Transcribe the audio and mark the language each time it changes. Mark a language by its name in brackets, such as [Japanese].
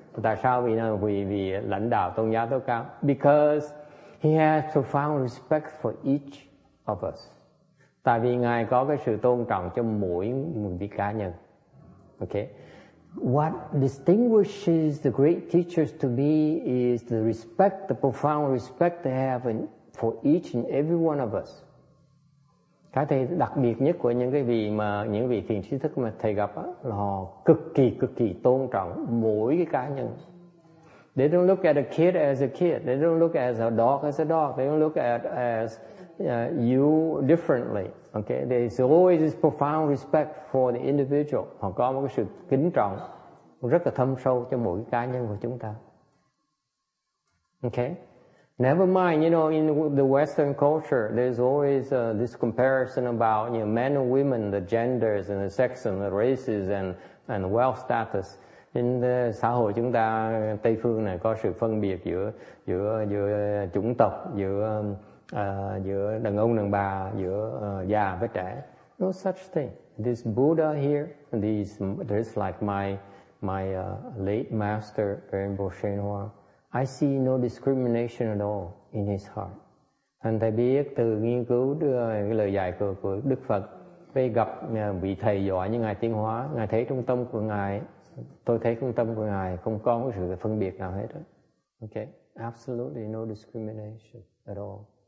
[Vietnamese] Tại sao vì là vị lãnh đạo tôn giáo tối cao? [English] Because he has profound respect for each of us. [Vietnamese] Tại vì ngài có cái sự tôn trọng cho mỗi một vị cá nhân. [English] Okay. What distinguishes the great teachers to be is the respect, the profound respect they have for each and every one of us. [Vietnamese] Cái thầy đặc biệt nhất của những cái vị mà những vị thiền trí thức mà thầy gặp là họ cực kỳ tôn trọng mỗi cái cá nhân. [English] They don't look at a kid as a kid. They don't look at a dog as a dog. They don't look at as you differently. Okay, there is always this profound respect for the individual. [Vietnamese] Họ có một cái sự kính trọng rất là thâm sâu cho mỗi cá nhân của chúng ta. [English] Okay, never mind. You know, in the Western culture, there's always this comparison about men and women, the genders and the sex and the races and wealth status. In the [Vietnamese] xã hội chúng ta Tây phương này có sự phân biệt giữa chủng tộc, giữa đàn ông đàn bà, giữa già với trẻ. [English] No such thing. This Buddha here, this like my late master Rinpoche Shenhua, I see no discrimination at all in his heart. [Vietnamese] Anh thầy biết từ nghiên cứu cái lời dạy của Đức Phật, khi gặp vị thầy giỏi như ngài Tiến Hóa, ngài thấy trung tâm của ngài, tôi thấy trung tâm của ngài không có sự phân biệt nào hết. [English] Okay, absolutely no discrimination at all.